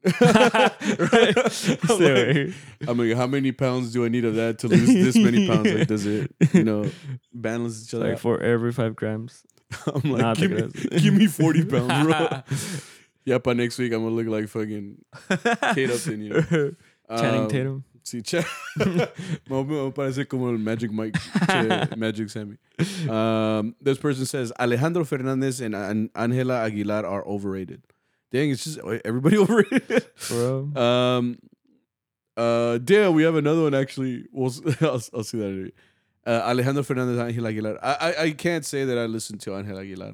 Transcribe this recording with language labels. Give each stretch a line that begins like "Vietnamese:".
English: I'm like, how many pounds do I need of that to lose this many pounds? Like, does it, you know, balance each other like, out? For every 5 grams. I'm like, give me 40 pounds, bro. Yeah, by next week, I'm going to look like fucking Kate Upton, you know? Channing Tatum.
Spanish: Sí, me va a parecer como el Magic Mike, Magic Sammy.
English: This person says, Alejandro Fernández and Ángela Aguilar are overrated. Dang, it's just everybody overrated. Bro. Damn, we have another one, actually. I'll see that. Alejandro Fernandez, Angel Aguilar. I can't say that I listened to Angel Aguilar.